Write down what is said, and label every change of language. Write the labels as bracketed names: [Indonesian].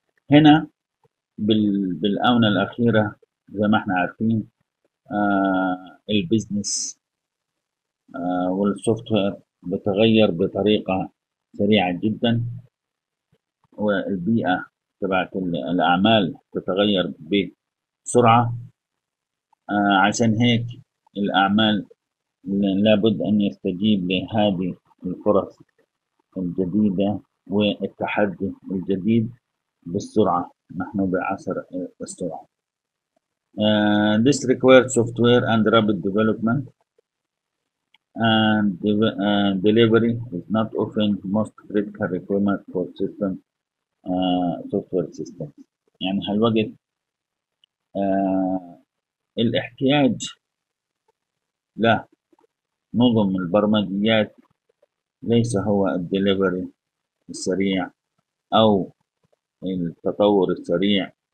[Arabic] هنا بالآونة الأخيرة زي ما إحنا عارفين البيزنس والسوفت وير بتغير بطريقة سريعة جدا، والبيئة تبعت الأعمال بتتغير بسرعة. عشان هيك الأعمال لابد أن يستجيب لهذه الفرص الجديدة والتحدي الجديد بالسرعة. نحن بعصر السرعة. [English] This requires software and rapid development and delivery is not often most critical requirement for system software systems. [Arabic] يعني هالوقت الاحتياج لنظم البرمجيات ليس هو الدليفري السريع أو التطور السريع.